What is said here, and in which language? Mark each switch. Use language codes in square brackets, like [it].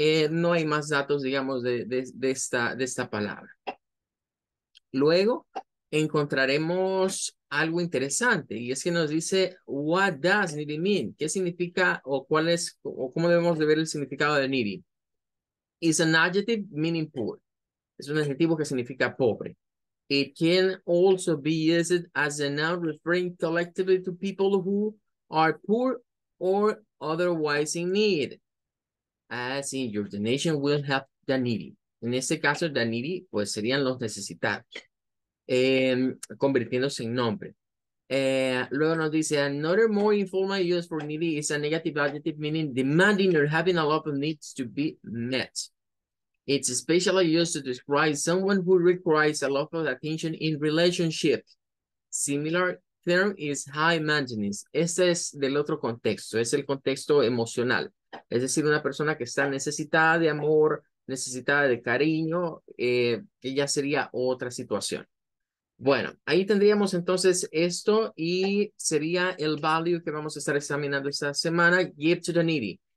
[es] No hay más datos, digamos, de esta palabra. Luego encontraremos algo interesante y es que nos dice, [en] What does Niri mean? [es] ¿Qué significa o cuál es o cómo debemos de ver el significado de Niri? [en] Is an adjective meaning poor. [es] Es un adjetivo que significa pobre. [en] It can also be used as a noun referring collectively to people who are poor or otherwise in need. As in, your donation will help the needy. [es] En este caso, the needy, pues serían los necesitados, convirtiéndose en nombre. Luego nos dice, [en] another more informal use for needy is a negative adjective meaning demanding or having a lot of needs to be met. It's especially used to describe someone who requires a lot of attention in relationships. Similar term is high maintenance. [es] Este es del otro contexto, es el contexto emocional. Es decir, una persona que está necesitada de amor, necesitada de cariño, ya sería otra situación. Bueno, ahí tendríamos entonces esto y sería el value que vamos a estar examinando esta semana, [en] give to the needy.